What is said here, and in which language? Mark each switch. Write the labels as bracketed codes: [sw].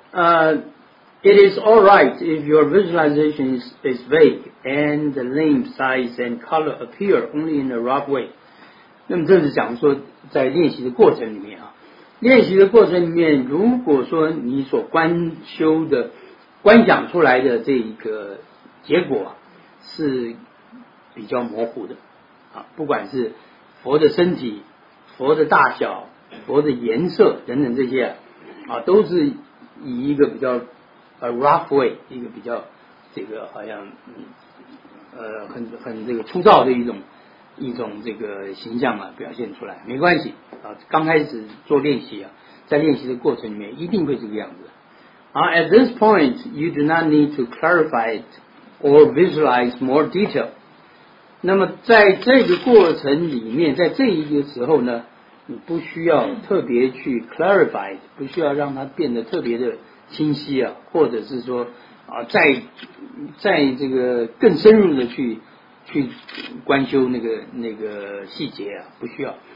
[en] It is all right if your visualization is vague and the limb size and color appear only in a rough way. [zh] 那么这是讲说在练习的过程里面啊，练习的过程里面，如果说你所观修的观想出来的这个结果啊，是比较模糊的啊，不管是佛的身体、佛的大小、佛的颜色等等这些 啊都是。以一个比较 [en] a rough way， [zh] 一个比较这个好像很这个粗糙的一种这个形象嘛表现出来，没关系啊，刚开始做练习啊，在练习的过程里面一定会这个样子。 [en] At this point, you do not need to clarify it or visualize more detail. [zh] 那么在这个过程里面，在这一个时候呢？你不需要特别去 clarify， 不需要让它变得特别的清晰啊，或者是说啊，在这个更深入的去观修那个细节啊，不需要。